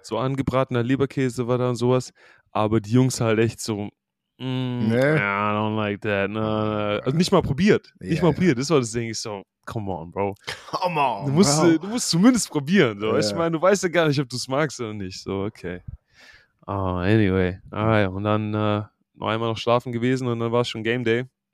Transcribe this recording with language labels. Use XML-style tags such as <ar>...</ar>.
<de>So angebratener Leberkäse war da und sowas. Aber die Jungs halt echt so,</de> <en>I don't like that. No.</en> <de>Also nicht mal probiert. Nicht mal probiert. Das war das Ding. Ich so,</de> <en>come on, Bro. Come on.</en> <de>Du musst zumindest probieren. So. Yeah. Ich meine, du weißt ja gar nicht, ob du es magst oder nicht. So, okay. Anyway. Alright. Und dann noch einmal noch schlafen gewesen und dann war es schon Game Day.</de>